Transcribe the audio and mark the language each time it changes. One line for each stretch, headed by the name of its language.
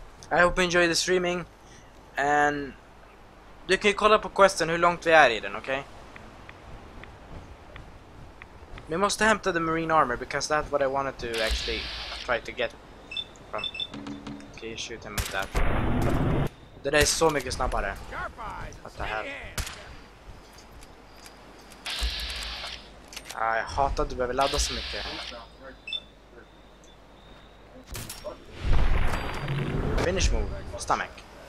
English: I hope you enjoy the streaming,
Swedish: and du kan ju kolla på questen hur långt vi är i den, okej? Vi måste hämta
English: the marine armor, because that's what I wanted to actually try to get from. Okay, shoot him with that.
Swedish: Det där är så mycket snabbare.
English: What the hell?
Swedish: Jag hatar att du behöver ladda så mycket.
English: Finish move, stomach.